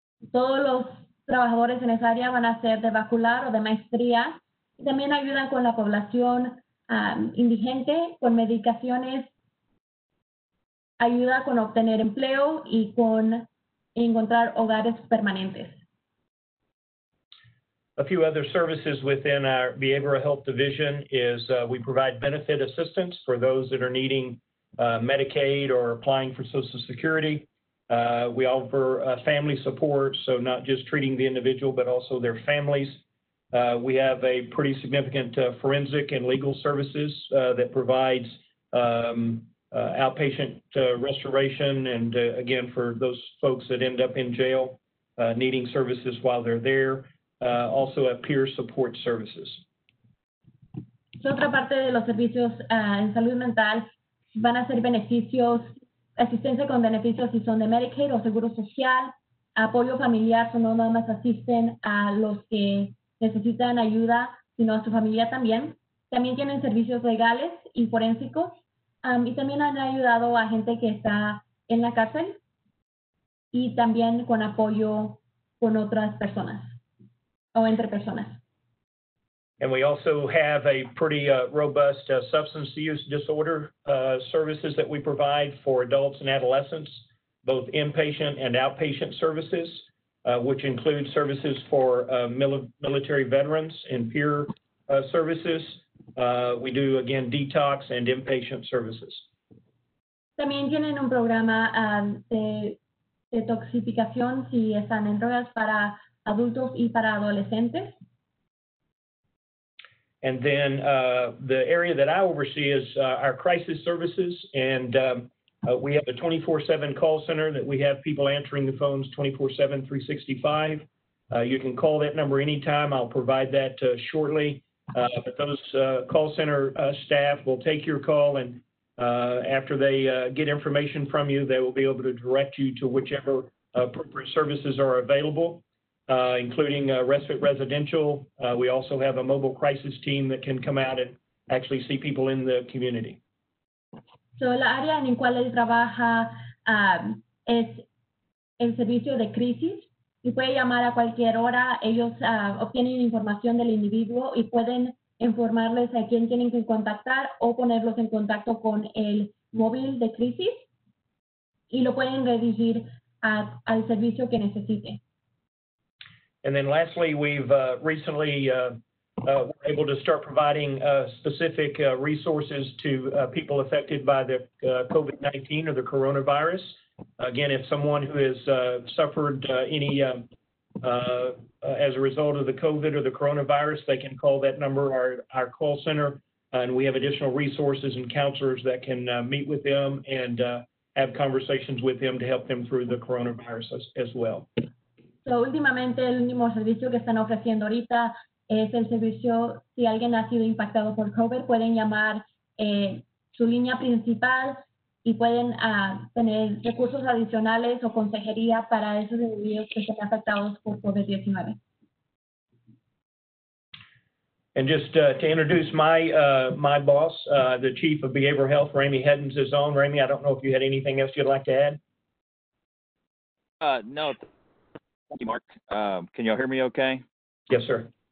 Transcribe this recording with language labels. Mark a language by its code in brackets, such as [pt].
[es] Todos los trabajadores en esa área van a ser de bacalaureado o de maestría. También ayudan con la población indigente, con medicaciones, ayuda con obtener empleo y con encontrar hogares permanentes. [en] A few other services within our behavioral health division is we provide benefit assistance for those that are needing Medicaid or applying for Social Security. We offer family support, so not just treating the individual, but also their families. We have a pretty significant forensic and legal services that provides outpatient restoration and, again, for those folks that end up in jail, needing services while they're there. Also a peer support services. [es] So otra parte de los servicios en salud mental van a ser beneficios, asistencia con beneficios si son de Medicaid o seguro social, apoyo familiar, so no nada más asisten a los que necesitan ayuda, sino a su familia también. También tienen servicios legales y forénsicos, y también han ayudado a gente que está en la cárcel y también con apoyo con otras personas. Oh, entre personas. [en] And we also have a pretty robust substance use disorder services that we provide for adults and adolescents, both inpatient and outpatient services, which include services for military veterans and peer services. We do, again, detox and inpatient services. [es] También tienen un programa de detoxificación si están en drogas para adultos y para adolescentes. [en] And then the area that I oversee is our crisis services, and we have a 24/7 call center that we have people answering the phones 24/7, 365. You can call that number anytime. I'll provide that shortly. But those call center staff will take your call, and after they get information from you, they will be able to direct you to whichever appropriate services are available. Including respite residential. We also have a mobile crisis team that can come out and actually see people in the community. [es] So la área en cual él trabaja es el servicio de crisis y puede llamar a cualquier hora. Ellos obtienen información del individuo y pueden informarles a quién tienen que contactar o ponerlos en contacto con el móvil de crisis y lo pueden redirigir al servicio que necesite. [en] And then lastly, we've recently were able to start providing specific resources to people affected by the COVID-19 or the coronavirus. Again, if someone who has suffered any as a result of the COVID or the coronavirus, they can call that number, our call center, and we have additional resources and counselors that can meet with them and have conversations with them to help them through the coronavirus as well. [es] So, últimamente, el mismo servicio que están ofreciendo ahorita es el servicio, si alguien ha sido impactado por COVID, pueden llamar su línea principal y pueden tener recursos adicionales o consejería para esos individuos que están afectados por COVID-19. [en] And just to introduce my boss, the Chief of Behavioral Health, Ramey Heddens, is on. Ramey, I don't know if you had anything else you'd like to add. No. Thank you, Mark. Can y'all hear me okay? Yes, sir.